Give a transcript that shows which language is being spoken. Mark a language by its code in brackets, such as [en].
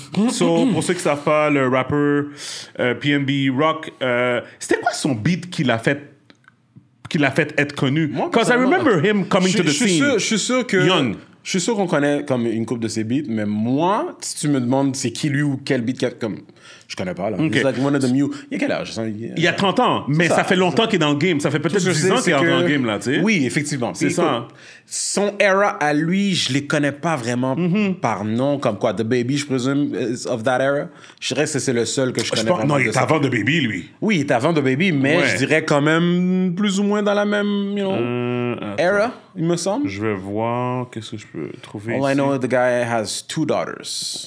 [fr] So, pour ceux qui ne savent pas, le rappeur PNB Rock, c'était quoi son beat qui l'a fait être connu? [en] Because I remember him coming to the scene. [fr] Je suis sûr que. [en] Young. [fr] Je suis sûr qu'on connaît comme une couple de ses beats, mais moi, si tu me demandes c'est qui lui ou quel beat qui a. Comme, je connais pas, là. Okay. [en] He's like one of the new... [fr] Il y a quel âge? Il y a 30 ans, mais ça fait longtemps qu'il est dans le game. Ça fait peut-être 10 ans qu'il est dans le game, là, tu sais. Oui, effectivement. C'est ça. Son era à lui, je les connais pas vraiment par nom, comme quoi. The Baby, je présume, [en] is of that era. [fr] Je dirais que c'est le seul que je connais vraiment. Non, il est avant The Baby, lui. Oui, il est avant The Baby, mais je dirais quand même plus ou moins dans la même, you know, era, il me semble. Je vais voir qu'est-ce que je peux trouver. [en] All I know, the guy has two daughters.